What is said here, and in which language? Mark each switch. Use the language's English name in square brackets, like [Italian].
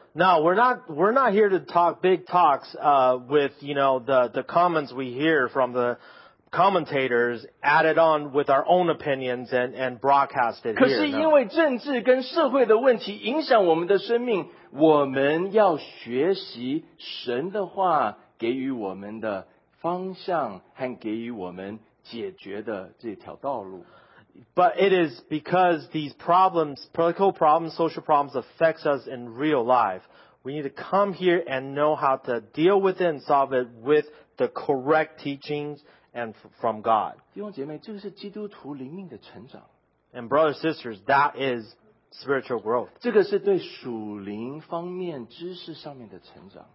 [English] No, we're not here to talk big talks with you know the comments we hear from the commentators added on with our own opinions and broadcasted here. [Chinese] 可是因为政治跟社会的问题影响我们的生命，我们要学习神的话给予我们的方向和给予我们解决的这条道路。 [English] But it is because these problems, political problems, social problems affects us in real life. We need to come here and know how to deal with it and solve it with the correct teachings and from God. [Chinese] 弟兄姐妹，这个是基督徒灵命的成长。 [English] And brothers and sisters, that is spiritual growth. [Chinese] 这个是对属灵方面知识上面的成长。